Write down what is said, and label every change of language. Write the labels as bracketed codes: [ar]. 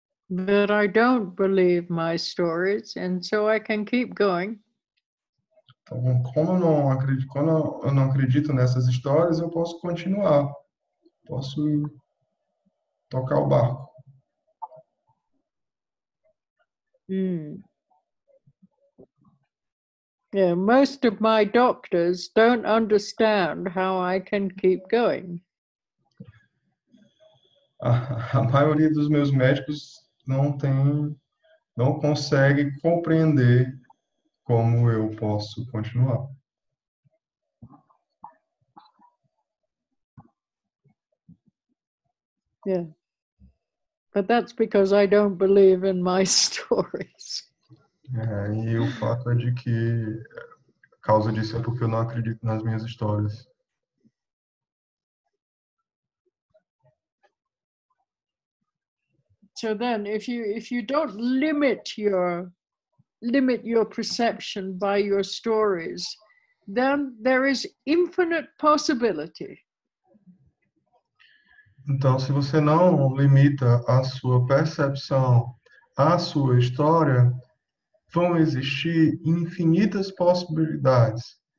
[en] But I don't believe my stories, and so I can keep going. [pt] Então, como eu não acredito nessas histórias, eu posso continuar. Posso tocar o barco. [en] Yeah, most of my doctors don't understand how I can keep going. [pt] A maioria dos meus médicos não consegue compreender como eu posso continuar. [en] Yeah. But that's because I don't believe in my stories. [pt] E o fato é de que a causa disso é porque eu não acredito nas minhas histórias. [en] So then, if you don't limit your perception by your stories, then there is infinite possibility. [pt] Então, se você não limita a sua percepção à sua história, vão existir infinitas possibilidades.